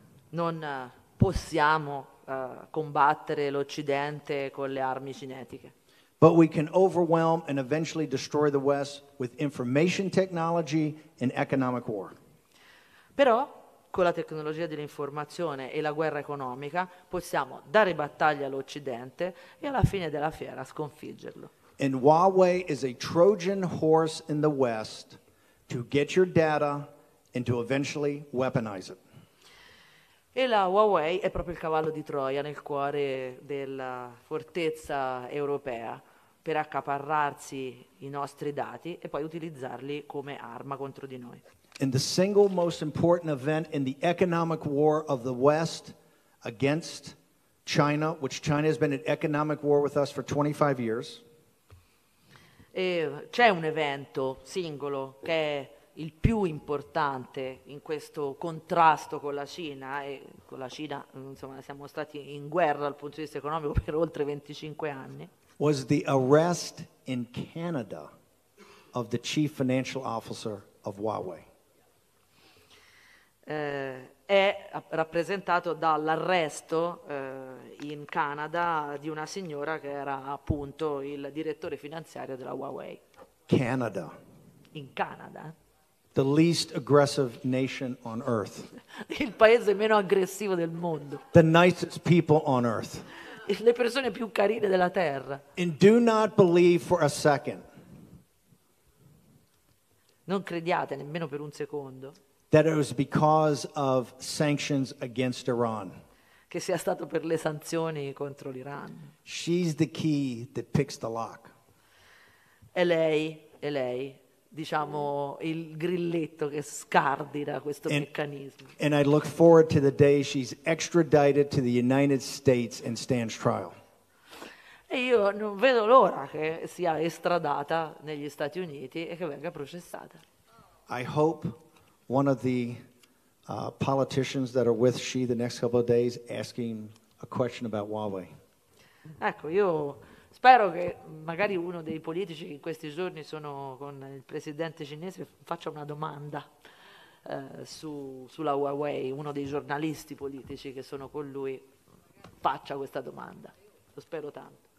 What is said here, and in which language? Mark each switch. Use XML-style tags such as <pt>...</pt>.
<it>Non possiamo combattere l'Occidente con le armi cinetiche.</it> <en>But we can overwhelm and eventually destroy the West with information technology and economic war.</en> <it>Però con la tecnologia dell'informazione e la guerra economica possiamo dare battaglia all'Occidente e alla fine della fiera sconfiggerlo.</it> <en>And Huawei is a Trojan horse in the West to get your data and to eventually weaponize it.</en> <it>E la Huawei è proprio il cavallo di Troia nel cuore della fortezza europea per accaparrarsi i nostri dati e poi utilizzarli come arma contro di noi.</it> <en>And the single most important event in the economic war of the West against China, which China has been in economic war with us for 25 years.</en> <it>E c'è un evento singolo che è il più importante in questo contrasto con la Cina, e con la Cina insomma siamo stati in guerra dal punto di vista economico per oltre 25 anni.</it> <en>Was the arrest in Canada of the chief financial officer of Huawei.</en> <it>È rappresentato dall'arresto in Canada di una signora che era appunto il direttore finanziario della Huawei.</it> <en>Canada.</en> <it>In Canada.</it> <en>The least aggressive nation on earth.</en> <it>Il paese meno aggressivo del mondo.</it> <en>The nicest people on earth.</en> <it>Le persone più carine della terra.</it> <en>And do not believe for a second.</en> <it>Non crediate nemmeno per un secondo.</it> <en>That it was because of sanctions against Iran.</en> <it>Che sia stato per le sanzioni contro l'Iran.</it> <en>She's the key that picks the lock.</en> <it>È lei. Diciamo il grilletto che scardina questo meccanismo.</it> <en>And I look forward to the day she's extradited to the United States and stands trial.</en> <it>E io non vedo l'ora che sia estradata negli Stati Uniti e che venga processata.</it> <en>I hope one of the politicians that are with Xi the next couple of days asking a question about Huawei.</en> <it>Ecco, io spero che magari uno dei politici che in questi giorni sono con il presidente cinese faccia una domanda sulla Huawei, uno dei giornalisti politici che sono con lui faccia questa domanda. Lo spero tanto.</it>